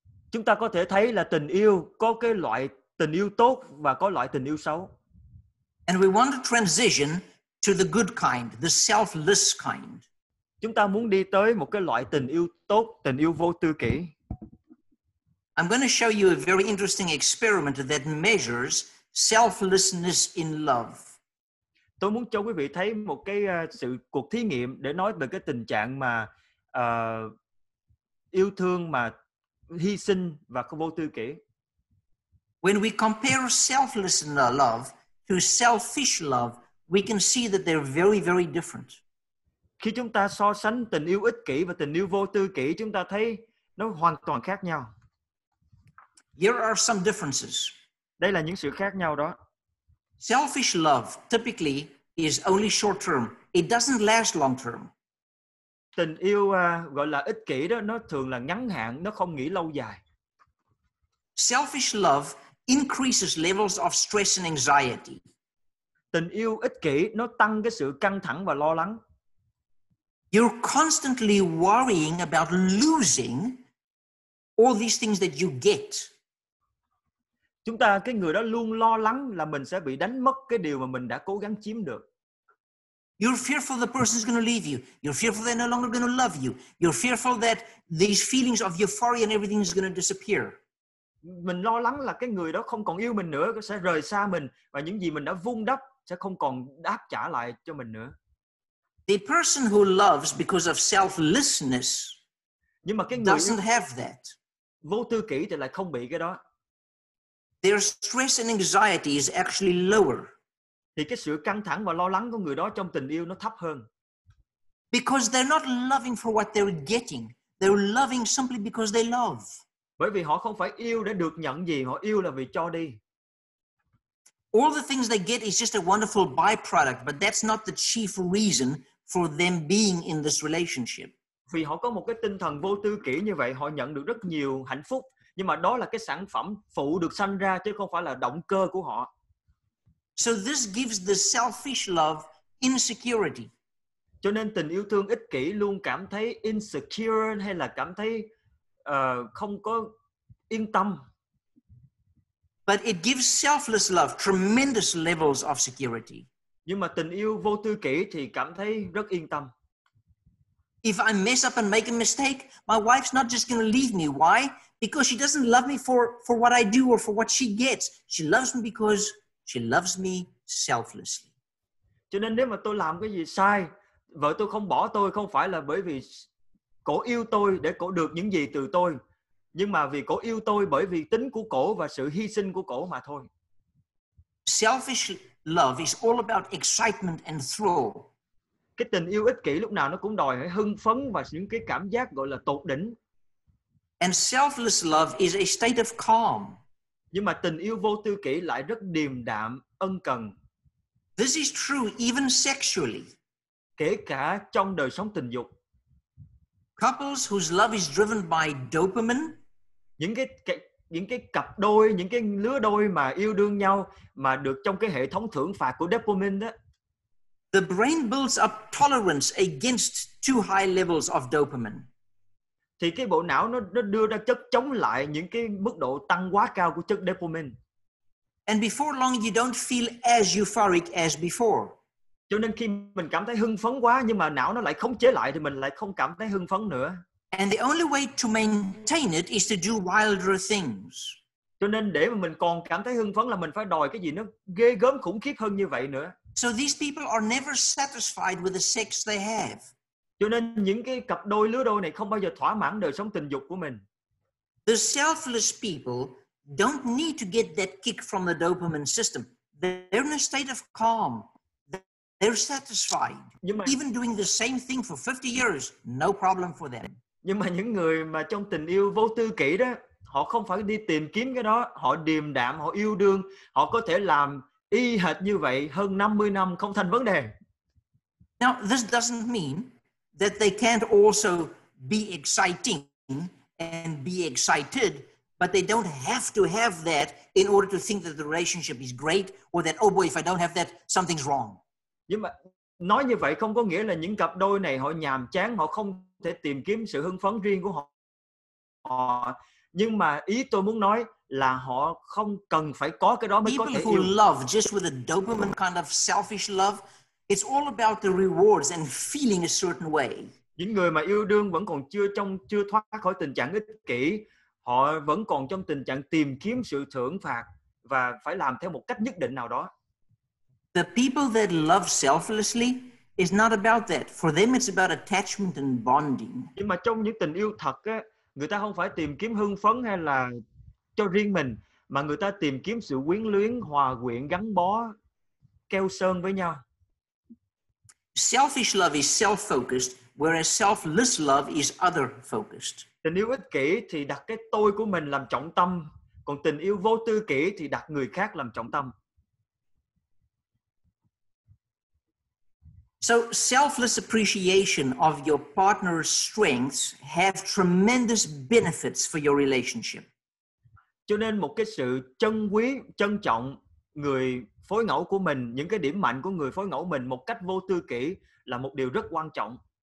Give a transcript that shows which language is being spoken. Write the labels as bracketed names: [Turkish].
[Vietnamese] Chúng ta có thể thấy là tình yêu có cái loại tình yêu tốt và có loại tình yêu xấu. [English] And we want to transition to the good kind, the selfless kind. [Vietnamese] Chúng ta muốn đi tới một cái loại tình yêu tốt, tình yêu vô tư kỷ. [English] I'm going to show you a very interesting experiment that measures selflessness in love. [Vietnamese] Tôi muốn cho quý vị thấy một cái sự cuộc thí nghiệm để nói về cái tình trạng mà yêu thương mà hy sinh và không vô tư kỷ. [English] When we compare selfless love to selfish love, we can see that they're very, very different. [Vietnamese] Khi chúng ta so sánh tình yêu ích kỷ và tình yêu vô tư kỷ, chúng ta thấy nó hoàn toàn khác nhau. [English] Here are some differences. [Vietnamese] Đây là những sự khác nhau đó. [English] Selfish love typically is only short term. It doesn't last long term. [Vietnamese] Tình yêu gọi là ích kỷ đó, nó thường là ngắn hạn, nó không nghĩ lâu dài. [English] Selfish love increases levels of stress and anxiety. [Vietnamese] Tình yêu ích kỷ nó tăng cái sự căng thẳng và lo lắng. [English] You're constantly worrying about losing all these things that you get. [Vietnamese] Chúng ta, cái người đó luôn lo lắng là mình sẽ bị đánh mất cái điều mà mình đã cố gắng chiếm được. [English] You're fearful the person is going to leave you. You're fearful they're no longer going to love you. You're fearful that these feelings of euphoria and everything is going to disappear. [Vietnamese] Mình lo lắng là cái người đó không còn yêu mình nữa, sẽ rời xa mình và những gì mình đã vun đắp sẽ không còn đáp trả lại cho mình nữa. [English] The person who loves because of selflessness doesn't have that. [Vietnamese] Vô tư kỷ thì lại không bị cái đó. [English] Their stress and anxiety is actually lower. [Vietnamese] Thì cái sự căng thẳng và lo lắng của người đó trong tình yêu nó thấp hơn. [English] Because they're not loving for what they're getting. They're loving simply because they love. [Vietnamese] Bởi vì họ không phải yêu để được nhận gì, họ yêu là vì cho đi. [English] All the things they get is just a wonderful byproduct, but that's not the chief reason for them being in this relationship. [Vietnamese] Vì họ có một cái tinh thần vô tư kỷ như vậy, họ nhận được rất nhiều hạnh phúc, nhưng mà đó là cái sản phẩm phụ được sanh ra chứ không phải là động cơ của họ. [English] So this gives the selfish love insecurity. [Vietnamese] Cho nên tình yêu thương ích kỷ luôn cảm thấy insecure hay là cảm thấy không có yên tâm. [English] But it gives selfless love tremendous levels of security. [Vietnamese] Nhưng mà tình yêu vô tư kỷ thì cảm thấy rất yên tâm. [English] If I mess up and make a mistake, my wife's not just going to leave me. Why? Because she doesn't love me for what I do or for what she gets. She loves me because she loves me selflessly. [Vietnamese] Cho nên nếu mà tôi làm cái gì sai, vợ tôi không bỏ tôi không phải là bởi vì cổ yêu tôi để cổ được những gì từ tôi, nhưng mà vì cổ yêu tôi bởi vì tính của cổ và sự hy sinh của cổ mà thôi. [English] Selfish love is all about excitement and thrill. [Vietnamese] Cái tình yêu ích kỷ lúc nào nó cũng đòi hỏi hưng phấn và những cái cảm giác gọi là tột đỉnh. [English] And selfless love is a state of calm. [Vietnamese] Nhưng mà tình yêu vô tư kỷ lại rất điềm đạm, ân cần. [English] This is true even sexually. [Vietnamese] Kể cả trong đời sống tình dục. [English] Couples whose love is driven by dopamine. [Vietnamese] Những cái cặp đôi, những cái lứa đôi mà yêu đương nhau mà được trong cái hệ thống thưởng phạt của dopamine đó. [English] The brain builds up tolerance against too high levels of dopamine. [Vietnamese] Thì cái bộ não nó đưa ra chất chống lại những cái mức độ tăng quá cao của chất dopamine. [English] And before long you don't feel as euphoric as before. [Vietnamese] Cho nên khi mình cảm thấy hưng phấn quá nhưng mà não nó lại khống chế lại thì mình lại không cảm thấy hưng phấn nữa. [English] And the only way to maintain it is to do wilder things. [Vietnamese] Cho nên để mà mình còn cảm thấy hưng phấn là mình phải đòi cái gì nó ghê gớm khủng khiếp hơn như vậy nữa. [English] So these people are never satisfied with the sex they have. [Vietnamese] Cho nên những cái cặp đôi lứa đôi này không bao giờ thỏa mãn đời sống tình dục của mình. [English] The selfless people don't need to get that kick from the dopamine system. They're in a state of calm. They're satisfied. [Vietnamese] Nhưng mà, [English] even doing the same thing for 50 years, no problem for them. [Vietnamese] Nhưng mà những người mà trong tình yêu vô tư kỷ đó, họ không phải đi tìm kiếm cái đó, họ điềm đạm, họ yêu đương, họ có thể làm y hệt như vậy hơn 50 năm không thành vấn đề. [English] Now, this doesn't mean that they can't also be exciting and be excited, but they don't have to have that in order to think that the relationship is great or that, oh boy, if I don't have that, something's wrong. [Vietnamese] Nhưng mà nói như vậy không có nghĩa là những cặp đôi này họ nhàm chán, họ không thể tìm kiếm sự hưng phấn riêng của họ. Nhưng mà ý tôi muốn nói là họ không cần phải có cái đó mới [English] people [Vietnamese] có thể [English] who [Vietnamese] yêu. [English] Love just with a dopamine kind of selfish love, it's all about the rewards and feeling a certain way. [Vietnamese] Những người mà yêu đương vẫn còn chưa thoát khỏi tình trạng ích kỷ, họ vẫn còn trong tình trạng tìm kiếm sự thưởng phạt và phải làm theo một cách nhất định nào đó. [English] The people that love selflessly is not about that. For them it's about attachment and bonding. [Vietnamese] Nhưng mà trong những tình yêu thật á, người ta không phải tìm kiếm hưng phấn hay là cho riêng mình, mà người ta tìm kiếm sự quyến luyến, hòa quyện, gắn bó, keo sơn với nhau. [English] Selfish love is self-focused, whereas selfless love is other-focused. [Vietnamese] Tình yêu ích kỷ thì đặt cái tôi của mình làm trọng tâm, còn tình yêu vô tư kỷ thì đặt người khác làm trọng tâm. [English] So selfless appreciation of your partner's strengths have tremendous benefits for your relationship. [Vietnamese] Cho nên một cái sự trân quý, trân trọng người phối ngẫu của mình, những cái điểm mạnh của người phối ngẫu mình một cách vô tư kỷ là một điều rất quan trọng.